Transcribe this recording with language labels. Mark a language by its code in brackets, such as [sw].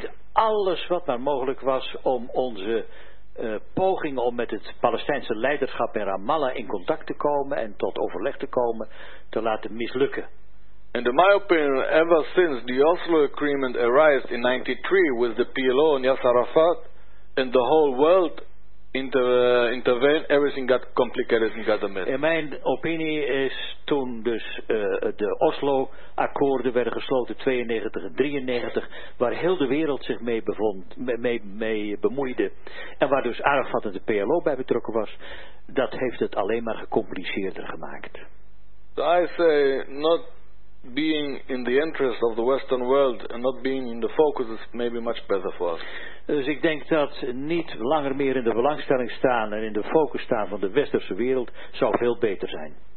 [nl] Deed alles wat maar mogelijk was om onze poging om met het Palestijnse leiderschap in Ramallah in contact te komen en tot overleg te komen te laten mislukken. [en] And in my opinion, ever since the Oslo Agreement arrived in 93 with the PLO and Yasser Arafat and the whole world intervene, everything got complicated and got a mess. [nl] In mijn opinie is toen dus de Oslo-akkoorden werden gesloten, 92 en 93, waar heel de wereld zich mee bevond, mee bemoeide, en waar dus Arafat en de PLO bij betrokken was, dat heeft het alleen maar gecompliceerder gemaakt. [en] So I say, not being in the interest of the Western world and not being in the focus is maybe much better for us. [nl] Dus ik denk dat niet langer meer in de belangstelling staan en in de focus staan van de westerse wereld zou veel beter zijn.